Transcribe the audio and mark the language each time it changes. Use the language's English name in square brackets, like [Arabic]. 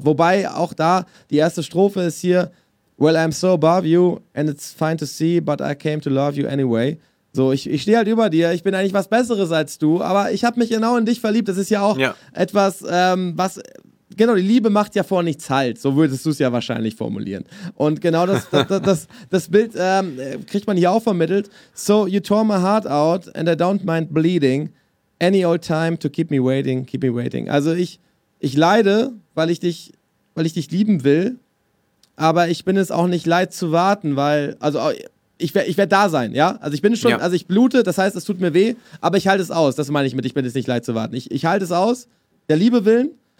[German] Wobei auch da die erste Strophe ist hier, [English] well, I'm so above you and it's fine to see, but I came to love you anyway. [German] So, ich stehe halt über dir, ich bin eigentlich was Besseres als du, aber ich habe mich genau in dich verliebt. Das ist ja auch etwas, was... Genau, die Liebe macht ja vor nichts halt, so würdest du es ja wahrscheinlich formulieren. Und genau das Bild kriegt man hier auch vermittelt. [English] So you tore my heart out and I don't mind bleeding. Any old time to keep me waiting. [German] Also ich leide, weil ich dich lieben will, aber ich bin es auch nicht leid zu warten, weil, also ich werde da sein, ja? Also ich bin schon, also ich blute, das heißt, es tut mir weh, aber ich halte es aus. Das meine ich mit, ich bin es nicht leid zu warten. Ich halte es aus, der Liebe willen.